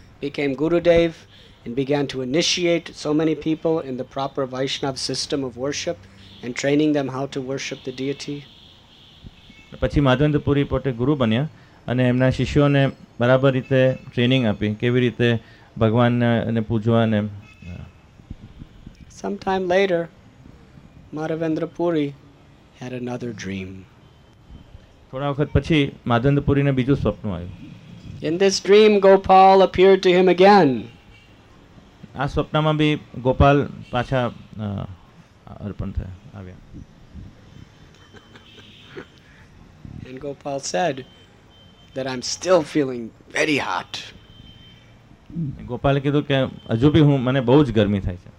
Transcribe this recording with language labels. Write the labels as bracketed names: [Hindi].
[English] became Gurudev and began to initiate so many people in the proper Vaishnav system of worship and training them how to worship the deity. [Gujarati] પછી માધવેન્દ્રપુરી પોતે ગુરુ બન્યા અને એમના શિષ્યોને બરાબર રીતે ટ્રેનિંગ આપી કેવી રીતે ભગવાનને પૂજવાને. [English] Sometime later, Madhavendrapuri had another dream. [Gujarati] થોડા વખત પછી માધવેન્દ્રપુરીને બીજું સ્વપ્ન આવ્યું. [English] In this dream, Gopal appeared to him again. [Gujarati] આ સ્વપ્નમાં ભી ગોપાલ પાછા અર્પણ થયા આવ્યા. [English] And Gopal said that I'm still feeling very hot. [Gujarati] Gopal કીધું કે હજુ ભી હું મને બહુ જ ગરમી થાય છે.